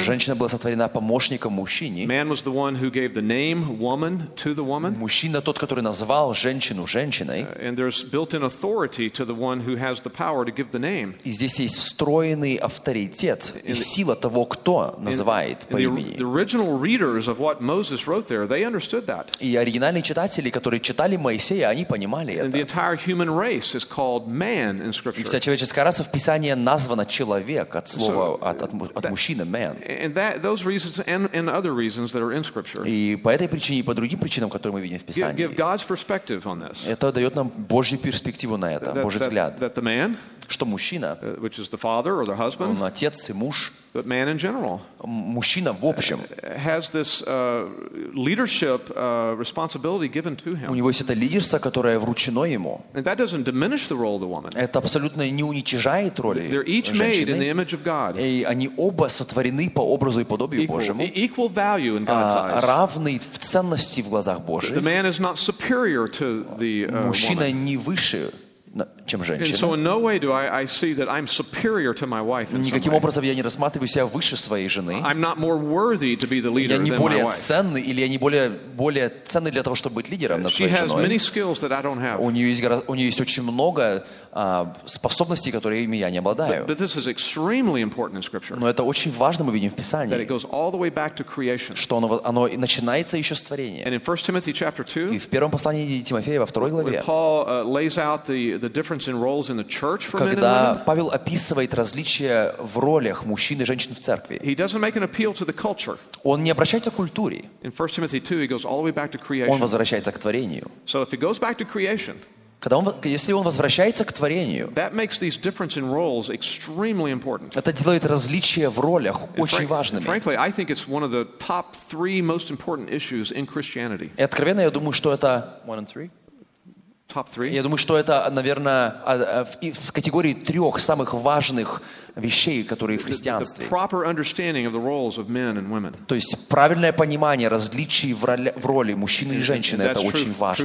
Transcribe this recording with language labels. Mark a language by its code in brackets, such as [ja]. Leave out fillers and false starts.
[ru] Женщина была сотворена помощником мужчине. [en] Man was the one who gave the name woman to the woman. [ru] Мужчина тот, который назвал женщину женщиной. [en] And there's built-in authority to the one who has the power to give the name. [ru] И здесь есть встроенный авторитет и сила того, кто называет по имени. [en] The original readers of what Moses wrote there, they understood. that. [ru] И оригинальные читатели, которые читали Моисея, они понимали это. [en] And the entire human race is called man in scripture. [ru] И вся человеческая раса в Писании названа человек от слова от мужчины man. [en] And that, those reasons and other reasons that are in scripture. [ru] И по этой причине и по другим причинам, которые мы видим в Писании. [en] Give God's perspective on this. [ru] Это дает нам Божью перспективу на это, Божий взгляд. [en] That the man. [ru] Что мужчина, [en] which is the father or the husband, [ru] он отец и муж, [en] but man in general, [ru] мужчина в общем, [en] has this leadership responsibility given to him. [ru] У него есть это лидерство, которое вручено ему. [en] And that doesn't diminish the role of the woman. [ru] Это абсолютно не уничижает роли женщины. [en] They're each made in the image of God. [ru] И они оба сотворены по образу и подобию Божьему. [en] Equal value in God's eyes. [ru] Равны в ценности в глазах Божьих. [en] The man is not superior to the woman. [ru] Мужчина не выше. [en] And so in no way do I see that I'm superior to my wife. [ru] Никаким образом я не рассматриваю себя выше своей жены. [en] I'm not more worthy to be the leader than my wife. [ru] Я не более ценный или я не более ценный для того, чтобы быть лидером над своей женой. [en] She has many skills that I don't have. [ru] У нее есть очень много способностей, которыми я не обладаю. [en] But this is extremely important in Scripture. [ru] Но это очень важно, мы видим в Писании. [en] That it goes all the way back to creation. [ru] Что оно начинается еще с творения. [en] And in 1 Timothy chapter 2. [ru] И в первом послании Тимофея во второй главе. [en] When Paul lays out the difference in roles in the church for men and women. [ru] Когда Павел описывает различия в ролях мужчин и женщин в церкви. [en] He doesn't make an appeal to the culture. [ru] Он не обращается к культуре. [en] In 1 Timothy 2, he goes all the way back to creation. [ru] Он возвращается к творению. [en] So if he goes back to creation. [ru] Если он возвращается к творению, [en] that makes these difference in roles extremely important. [ru] Это делает различия в ролях очень важными. [en] Frankly, I think it's one of the top three most important issues in Christianity. [ru] И откровенно, я думаю, что это... [en] One and three? Top three? [ru] Я думаю, что это, наверное, в категории трех самых важных вещей, которые в христианстве. [en] The proper understanding of the roles of men and women. [ru] То есть правильное понимание различий в роли мужчины и женщины, это очень важно.